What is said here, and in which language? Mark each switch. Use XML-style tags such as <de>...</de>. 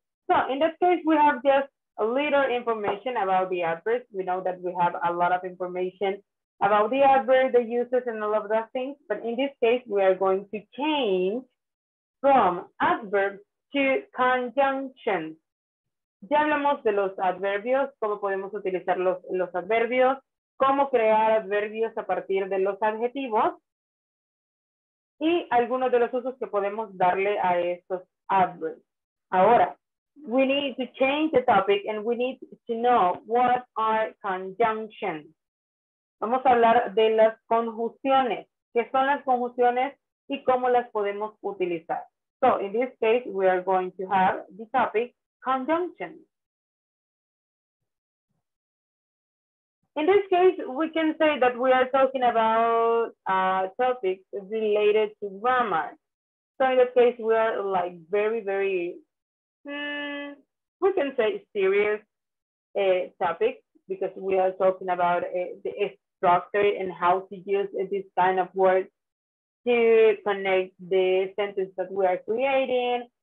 <en>So in this case, we have just a little information about the adverbs. We know that we have a lot of information about the adverb, the uses, and all of those things. But in this case, we are going to change from adverbs to conjunctions.</en> <es>Ya hablamos de los adverbios, cómo podemos utilizar los adverbios, cómo crear adverbios a partir de los adjetivos y algunos de los usos que podemos darle a estos adverbios.</es> <en>Ahora, we need to change the topic and we need to know what are conjunctions.</en> <es>Vamos a hablar de las conjunciones. ¿Qué son las conjunciones y cómo las podemos utilizar?</es> <en>So, in this case, we are going to have the topic conjunction. In this case, we can say that we are talking about topics related to grammar. So in this case, we are like very, very, we can say serious topic, because we are talking about the structure and how to use this kind of words to connect the sentence that we are creating.</en>